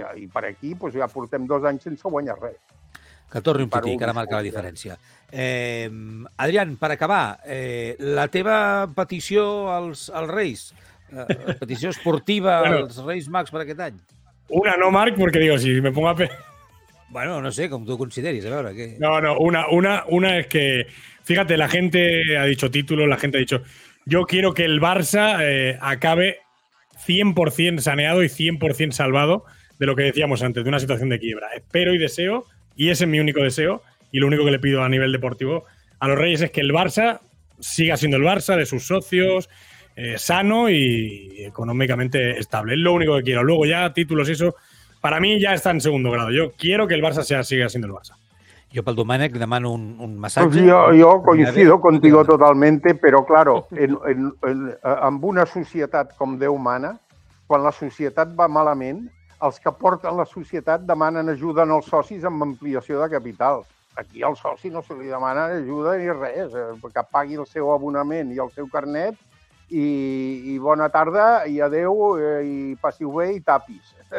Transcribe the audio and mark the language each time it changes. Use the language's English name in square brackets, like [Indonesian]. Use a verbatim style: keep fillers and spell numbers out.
[Catalan] I, i per aquí doncs, ja portem dos anys sense guanyar res. Que torni un tití, que ara marca la diferència. Eh, Adrián, per acabar, eh, la teva petició als, als Reis, eh, petició esportiva bueno, als Reis Mags per aquest any? [Spanish] Una no, Marc, perquè digo, si me pongo a... Pe... [Catalan] Bueno, no sé, com tu consideris, a veure... Que... [Spanish] No, no, una, una, una es que, fíjate, la gente ha dicho título, la gente ha dicho, yo quiero que el Barça eh, acabe cien por ciento saneado y cien por ciento salvado de lo que decíamos antes, de una situación de quiebra. Espero y deseo. Y ese es mi único deseo y lo único que le pido a nivel deportivo a los Reyes es que el Barça siga siendo el Barça, de sus socios, eh, sano y económicamente estable. Es lo único que quiero. Luego ya títulos y eso, para mí ya está en segundo grado. Yo quiero que el Barça sea, siga siendo el Barça. [Catalan] Yo pel Domènec demano un, un masaje. [Spanish] Pues yo, yo coincido contigo totalmente, pero claro, [Catalan] en, en, en, amb una societat com Déu mana, quan la societat va malament, els que porten la societat demanen ajuda als socis amb ampliació de capital. Aquí al soci no se li demana ajuda ni res, que pagui el seu abonament i el seu carnet i, i bona tarda i adeu i passi bé i tapis.